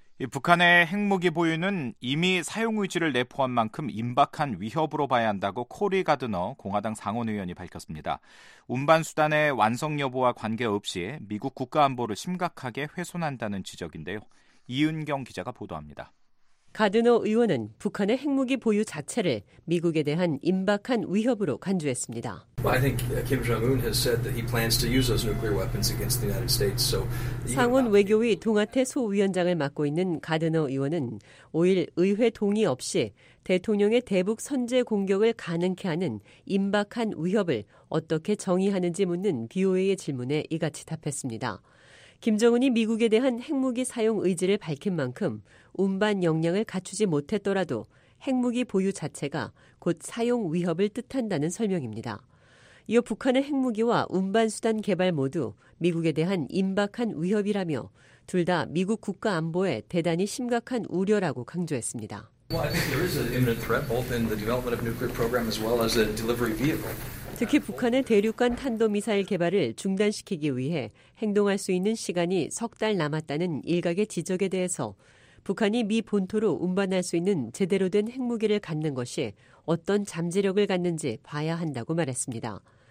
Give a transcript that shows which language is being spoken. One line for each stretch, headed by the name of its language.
Korean: 북한의 핵무기 보유는 이미 사용 의지를 내포한 만큼 임박한 위협으로 봐야 한다고 코리 가드너 공화당 상원의원이 밝혔습니다. 운반 수단의 완성 여부와 관계없이 미국 국가안보를 심각하게 훼손한다는 지적인데요. 이은경 기자가 보도합니다. 가드너 의원은 북한의 핵무기 보유 자체를 미국에 대한 임박한 위협으로 간주했습니다.
English: I think Kim Jong-un has said that he plans to use those nuclear weapons against the United States. So
Korean: 상원 외교위 동아태 소위원장을 맡고 있는 가드너 의원은 5일 의회 동의 없이 대통령의 대북 선제 공격을 가능케 하는 임박한 위협을 어떻게 정의하는지 묻는 BOA의 질문에 이같이 답했습니다. 김정은이 미국에 대한 핵무기 사용 의지를 밝힌 만큼 운반 역량을 갖추지 못했더라도 핵무기 보유 자체가 곧 사용 위협을 뜻한다는 설명입니다. 이어 북한의 핵무기와 운반 수단 개발 모두 미국에 대한 임박한 위협이라며 둘 다 미국 국가 안보에 대단히 심각한 우려라고 강조했습니다.
English: Well, I think there is an imminent threat both in the development of nuclear program as well as a delivery vehicle.
Korean: 특히 북한의 대륙간 탄도미사일 개발을 중단시키기 위해 행동할 수 있는 시간이 석 달 남았다는 일각의 지적에 대해서 북한이 미 본토로 운반할 수 있는 제대로 된 핵무기를 갖는 것이 어떤 잠재력을 갖는지 봐야 한다고 말했습니다.